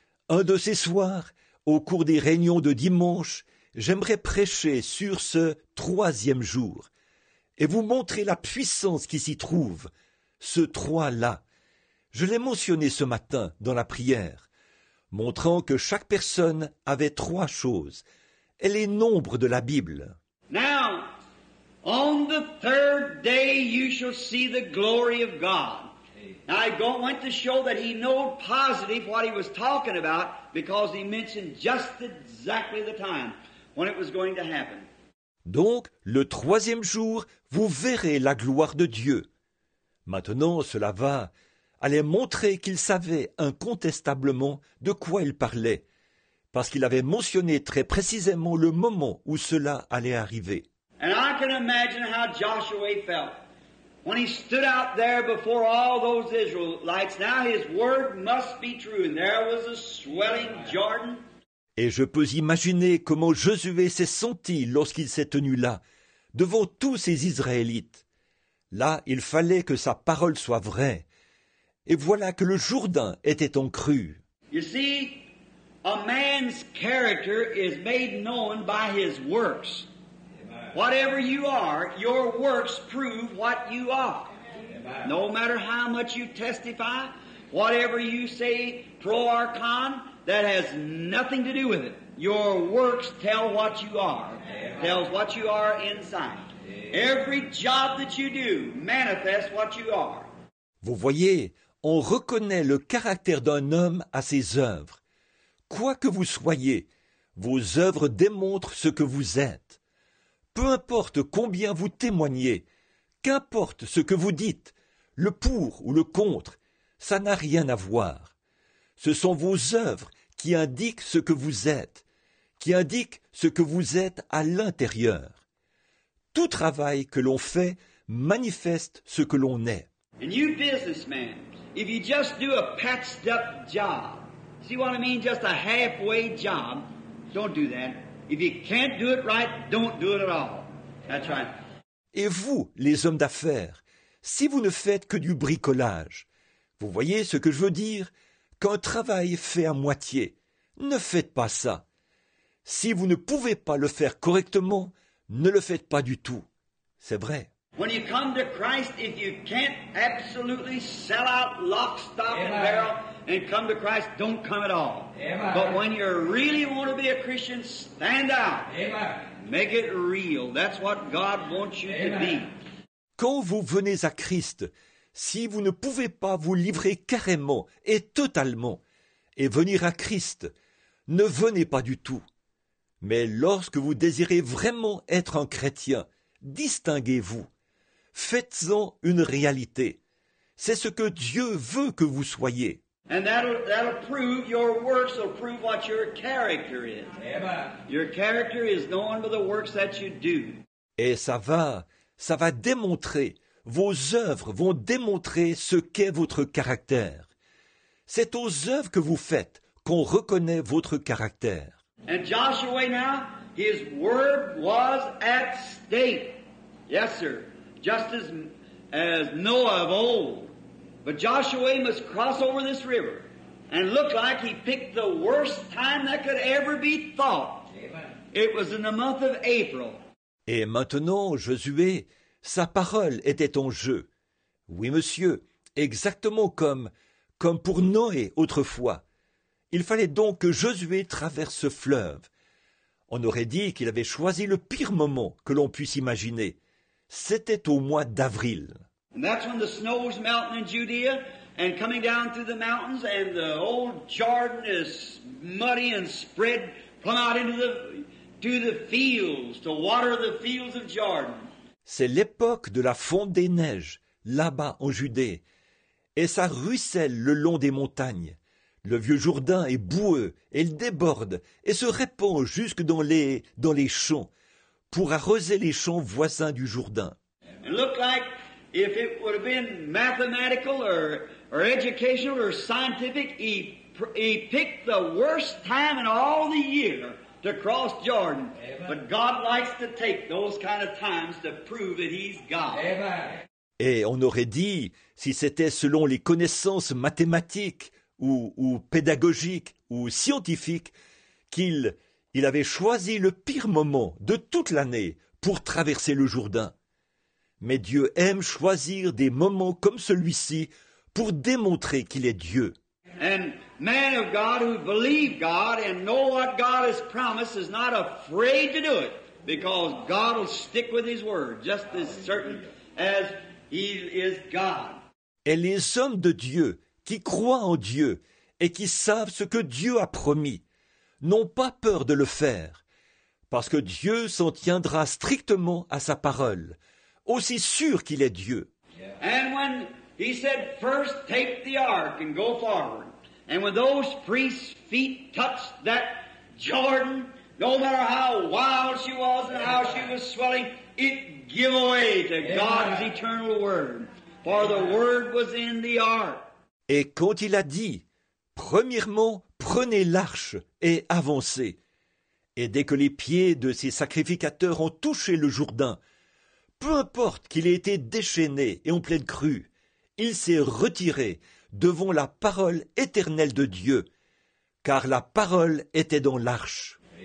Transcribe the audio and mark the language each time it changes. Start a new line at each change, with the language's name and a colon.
French: Un de ces soirs, au cours des réunions de dimanche, j'aimerais prêcher sur ce troisième jour. Et vous montrez la puissance qui s'y trouve, ce trois-là. Je l'ai mentionné ce matin dans la prière, montrant que chaque personne avait trois choses, et les nombres de la Bible.
English: Now, on the third day you shall see the glory of God. Now, I want to show that he knew positive what he was talking about, because he mentioned just exactly the time when it was going to happen.
French: Donc, le troisième jour, vous verrez la gloire de Dieu. Maintenant, cela va, allait montrer qu'il savait incontestablement de quoi il parlait, parce qu'il avait mentionné très précisément le moment où cela allait arriver.
English: And I can imagine how Joshua felt when he stood out there before all those Israelites. Now his word must be true, and there was a swelling Jordan.
French: Et je peux imaginer comment Josué s'est senti lorsqu'il s'est tenu là, devant tous ces Israélites. Là, il fallait que sa parole soit vraie. Et voilà que le Jourdain était en crue.
English: You see, a man's character is made known by his works. Whatever you are, your works prove what you are. No matter how much you testify, whatever you say, pro or con, that has nothing to do with it. Your works tell what you are. Amen. Tells what you are inside. Amen. Every job that you do manifests what you are.
French: Vous voyez, on reconnaît le caractère d'un homme à ses œuvres. Quoi que vous soyez, vos œuvres démontrent ce que vous êtes. Peu importe combien vous témoignez, qu'importe ce que vous dites, le pour ou le contre, ça n'a rien à voir. Ce sont vos œuvres qui indiquent ce que vous êtes, qui indiquent ce que vous êtes à l'intérieur. Tout travail que l'on fait manifeste ce que l'on est.
English: And you businessmen, if you just do a patched up job, see what I mean, just a halfway job, don't do that. If you can't do it right, don't do it at all. That's right.
French: Et vous, les hommes d'affaires, si vous ne faites que du bricolage, vous voyez ce que je veux dire? Qu'un travail fait à moitié. Ne faites pas ça. Si vous ne pouvez pas le faire correctement, ne le faites pas du tout. C'est vrai.
English: When you come to Christ, if you can't absolutely sell out lock, stock and barrel and come to Christ, don't come at all. Amen. But when you really want to be a Christian, stand out. Amen. Make it real. That's what God wants you to be.
French: Quand vous venez à Christ, si vous ne pouvez pas vous livrer carrément et totalement et venir à Christ, ne venez pas du tout. Mais lorsque vous désirez vraiment être un chrétien, distinguez-vous. Faites-en une réalité. C'est ce que Dieu veut que vous soyez.
English: And that'll prove your works will prove what your character is. Amen. Your character is known by the works that you do.
French: Et ça va démontrer. Vos œuvres vont démontrer ce qu'est votre caractère. C'est aux œuvres que vous faites qu'on reconnaît votre caractère.
English: And Joshua now, his word was at stake. Yes, sir. Just as Noah of old. But Joshua must cross over this river and look like he picked the worst time that could ever be thought. Amen. It was in the month of April.
French: Et maintenant, Josué, sa parole était en jeu. Oui, monsieur, exactement comme pour Noé autrefois. Il fallait donc que Josué traverse ce fleuve. On aurait dit qu'il avait choisi le pire moment que l'on puisse imaginer. C'était au mois d'avril.
English: And that's when the snow was melting in Judea and coming down through the mountains and the old Jordan is muddy and spread plumb out into the fields to water the fields of Jordan.
French: C'est l'époque de la fonte des neiges, là-bas en Judée, et ça ruisselle le long des montagnes. Le vieux Jourdain est boueux, et il déborde, et se répand jusque dans les champs, pour arroser les champs voisins du Jourdain.
English: It looked like if it would have been mathematical or educational or scientific, he picked the worst time in all the year to cross Jordan. Amen. But God likes to take those kind of times to prove that he's God. Amen.
French: Et on aurait dit, si c'était selon les connaissances mathématiques ou pédagogiques ou scientifiques, qu'il avait choisi le pire moment de toute l'année pour traverser le Jourdain. Mais Dieu aime choisir des moments comme celui-ci pour démontrer qu'il est Dieu.
English: And men of God who believe God and know what God has promised is not afraid to do it because God will stick with his word just as certain as he is God.
French: Et les hommes de Dieu qui croient en Dieu et qui savent ce que Dieu a promis n'ont pas peur de le faire parce que Dieu s'en tiendra strictement à sa parole, aussi sûr qu'il est Dieu.
English: And when he said, first take the ark and go forward. And when those priests' feet touched that Jordan, no matter how wild she was and how she was swelling, it gave way to God's eternal word. For the word was in the ark.
French: Et quand il a dit, premièrement, prenez l'arche et avancez. Et dès que les pieds de ses sacrificateurs ont touché le Jourdain, peu importe qu'il ait été déchaîné et en pleine crue, il s'est retiré devant la parole éternelle de Dieu, car la parole était dans l'arche.